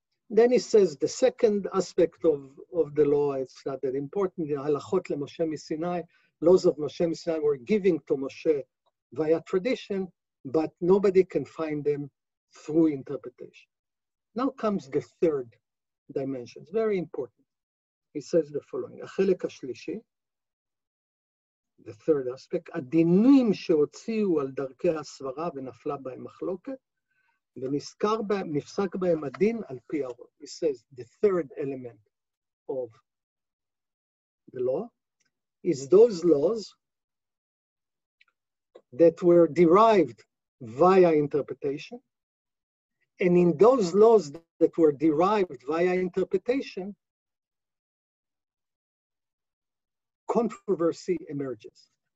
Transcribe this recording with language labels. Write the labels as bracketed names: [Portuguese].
[English] Then he says, the second aspect of the law, it's not that important, the halachot le Moshe Misinai, laws of Moshe Mishnah were given to Moshe via tradition, but nobody can find them through interpretation. Now comes the third dimension. It's very important. He says the following, [Hebrew] החלק השלישי, [English] the third aspect, [Hebrew] הדינים שהוציאו על דרכי הסברה ונפלה בהם מחלוקת, ונפסק בהם הדין על פי הרוב. [English] He says the third element of the law, is those laws that were derived via interpretation. And in those laws that were derived via interpretation, controversy emerges.